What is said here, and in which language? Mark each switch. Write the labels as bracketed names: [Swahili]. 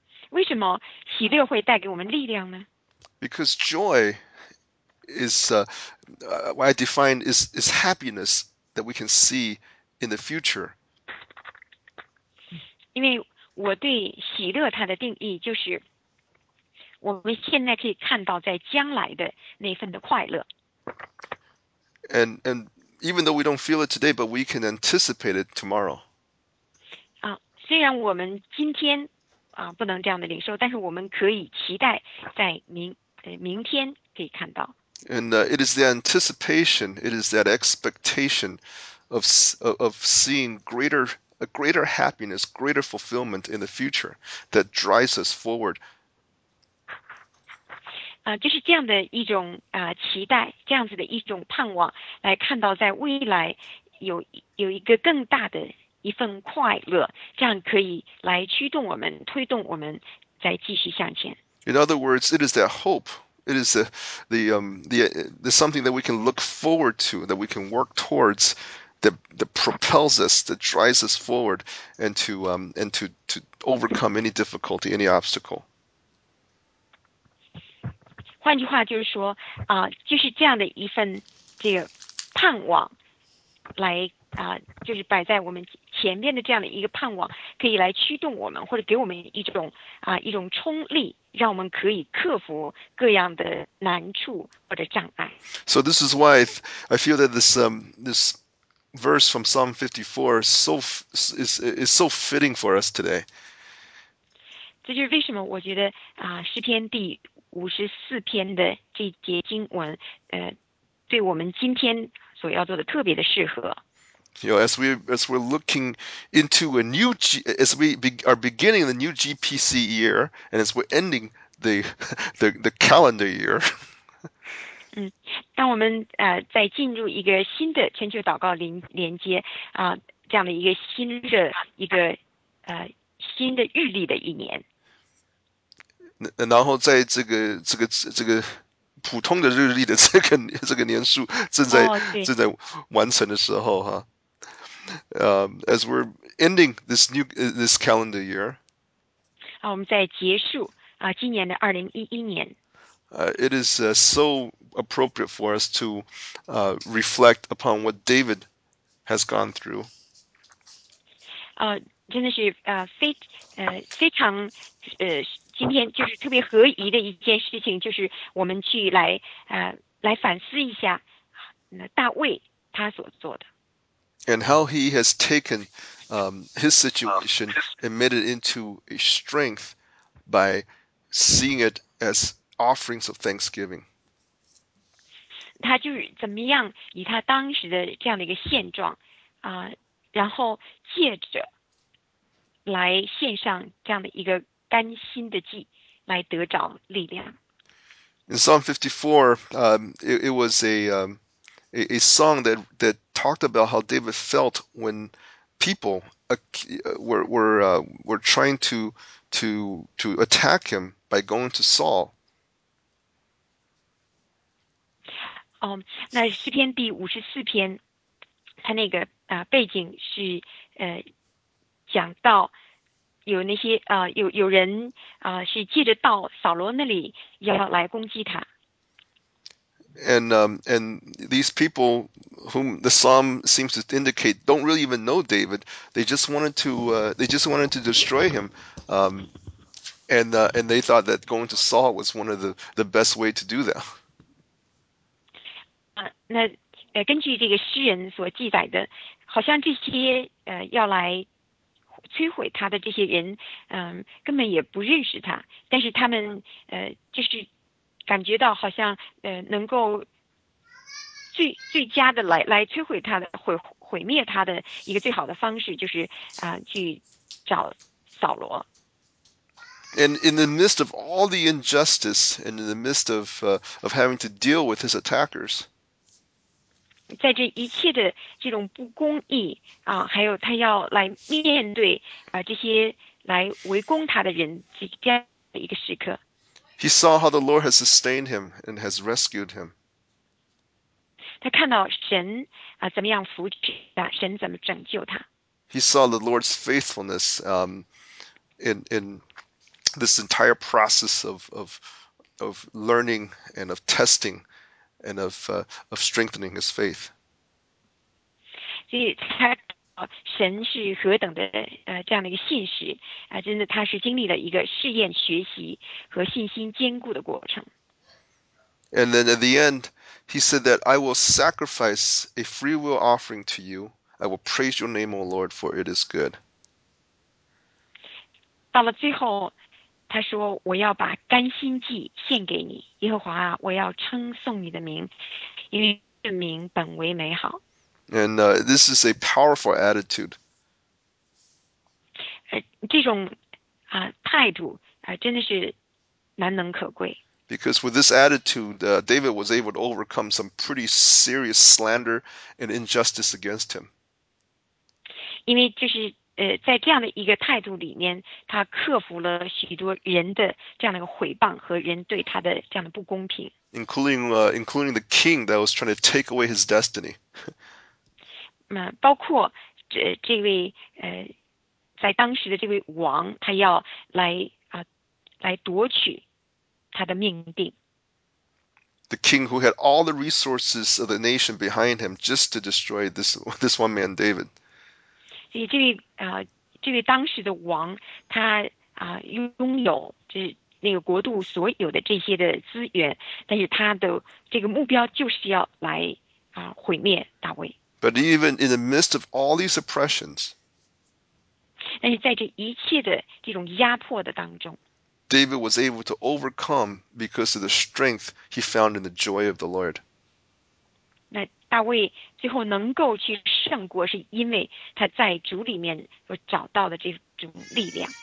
[Chinese] 为什么喜乐会带给我们力量呢？ [English] Because joy is what I define is happiness that we can see in the future. [Chinese] 因为我对喜乐它的定义就是，我们现在可以看到在将来的那份的快乐。 [English] And even though we don't feel it today, but we can anticipate it tomorrow. [Chinese] 虽然我们今天不能这样的领受，但是我们可以期待在明天可以看到。 [English] And it is the anticipation, it is that expectation of seeing a greater happiness, greater fulfillment in the future that drives us forward. [Chinese] 就是这样的一种期待，这样子的一种盼望，来看到在未来有一个更大的一份快乐，这样可以来驱动我们，推动我们再继续向前。 [English] In other words, it is that hope. It is the something that we can look forward to, that we can work towards, that propels us, that drives us forward, and to overcome any difficulty, any obstacle. [Chinese] 换句话就是说，就是这样的一份这个盼望来，就是摆在我们前面的这样的一个盼望，可以来驱动我们，或者给我们一种冲力，让我们可以克服各样的难处或者障碍。 [English] So this is why I feel that this verse from Psalm 54 is so fitting for us today. [Chinese] 这就是为什么我觉得诗篇第54篇的这节经文，对我们今天所要做的特别的适合。 [English] You know, as we're looking into a new G as we be are beginning the new GPC year, and as we're ending the calendar year. [Chinese] 当我们再进入一个新的全球祷告连接这样的一个新的一个新的日历的一年。然后在这个普通的日历的这个年数对。正在完成的时候 [English] as we're ending this calendar year， [Chinese] 我们在结束今年的2011年。 [English] it is so appropriate for us to reflect upon what David has gone through。 [Chinese] 真的是非常今天就是特别合宜的一件事情，就是我们去来反思一下，大卫他所做的。 [English] And how he has taken his situation and made it into a strength by seeing it as offerings of thanksgiving. [Chinese] 他就是怎么样以他当时的这样的一个现状然后借着来献上这样的一个甘心的祭，来得着力量。 [English] In Psalm 54, it was a song that talked about how David felt when people were trying to attack him by going to Saul. [Chinese] 那诗篇第54篇，它那个背景是讲到有那些有人是借着到扫罗那里要来攻击他。 [English] And these people whom the psalm seems to indicate don't really even know David. They just wanted to destroy him. And they thought that going to Saul was one of the best way to do that. [Chinese] 那根据这个诗人所记载的，好像这些要来摧毁他的这些人，根本也不认识他，但是他们就是感觉到好像能够最佳的来摧毁他的毁灭他的一个最好的方式就是去找扫罗。 [English] And in the midst of all the injustice, and in the midst of having to deal with his attackers, [Chinese] 在这一切的这种不公义啊，还有他要来面对这些来围攻他的人，这样的一个时刻， [English] he saw how the Lord has sustained him and has rescued him. [Chinese] 他看到神怎么样扶持他，神怎么拯救他。 [English] He saw the Lord's faithfulness, in this entire process of learning and of testing and of strengthening his faith. [Chinese] 所以他神是何等的这样的一个信实真的他是经历了一个试验、学习和信心坚固的过程。 [English] And then at the end, he said that I will sacrifice a free will offering to you. I will praise your name, O Lord, for it is good. [Chinese] 到了最后，他说：“我要把甘心祭献给你，耶和华啊，我要称颂你的名，因为这名本为美好。” [English] And this is a powerful attitude. [Chinese] 这种态度真的是难能可贵。 [English] Because with this attitude, David was able to overcome some pretty serious slander and injustice against him. [Chinese] 因为就是在这样的一个态度里面，他克服了许多人的这样的一个毁谤和人对他的这样的不公平。 [English] Including the king that was trying to take away his destiny. [Chinese] 包括这位在当时的这位王，他要来夺取他的命定。 [English] The king who had all the resources of the nation behind him just to destroy this one man, David. [Chinese] 所以这位当时的王，他拥有那个国度所有的这些的资源，但是他的这个目标就是要来毁灭大卫。 [English] But even in the midst of all these oppressions, [Chinese] 但是在这一切的这种压迫的当中， [English] David was able to overcome because of the strength he found in the joy of the Lord. [Chinese] 那大卫最后能够去胜过，是因为他在主里面所找到的这种力量。